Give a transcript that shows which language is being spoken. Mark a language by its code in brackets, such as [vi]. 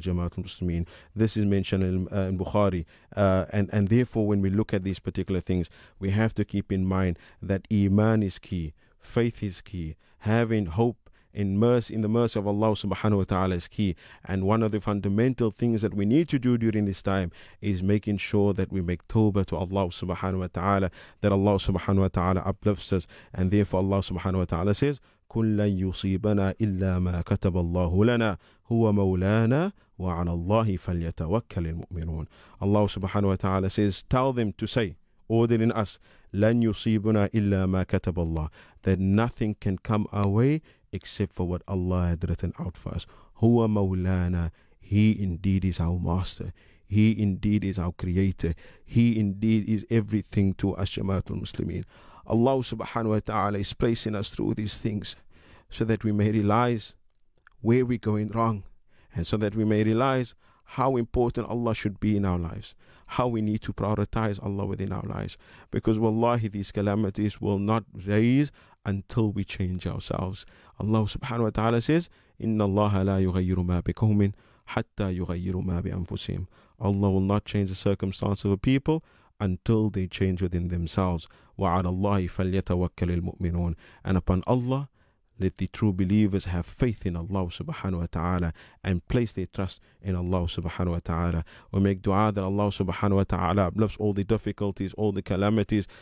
[en] Jamaat al-Muslimin, this is mentioned in Bukhari, and therefore when we look at these particular things, we have to keep in mind that Iman is key, faith is key, having hope in mercy, in the mercy of Allah subhanahu wa ta'ala is key. And one of the fundamental things that we need to do during this time is making sure that we make tawbah to Allah subhanahu wa ta'ala, that Allah subhanahu wa ta'ala uplifts us. And therefore Allah subhanahu wa ta'ala says, [ar] كُلَّنْ يُصِيبَنَا إِلَّا مَا كَتَبَ اللَّهُ لَنَا هُوَ مَوْلَانَا وَعَلَى اللَّهِ فَلْيَتَوَكَّلِ الْمُؤْمِنُونَ. [en] Allah subhanahu wa ta'ala says, tell them to say, ordering us, [ar] لَنْ يُصِيبُنَا إِلَّا مَا كَتَبَ اللَّهُ, [en] that nothing can come our way except for what Allah had written out for us. [ar] هُوَ مَوْلَانَا, [en] He indeed is our master. He indeed is our creator. He indeed is everything to us, Jamaatul Muslimin. Allah subhanahu wa ta'ala is placing us through these things so that we may realize where we're going wrong, and so that we may realize how important Allah should be in our lives, how we need to prioritize Allah within our lives. Because wallahi, these calamities will not raise until we change ourselves. Allah subhanahu wa ta'ala says, [ar] إِنَّ اللَّهَ لَا يُغَيِّرُ مَا بِقَوْمٍ حَتَّى يُغَيِّرُ مَا بِأَنفُسِهِمْ. [en] Allah will not change the circumstances of a people until they change within themselves. [ar] وَعَلَى اللَّهِ فَلْيَتَوَكَّلِ الْمُؤْمِنُونَ, [en] and upon Allah, Let the true believers have faith in Allah subhanahu wa ta'ala and place their trust in Allah subhanahu wa ta'ala. We make dua that Allah subhanahu wa ta'ala bless all the difficulties, all the calamities.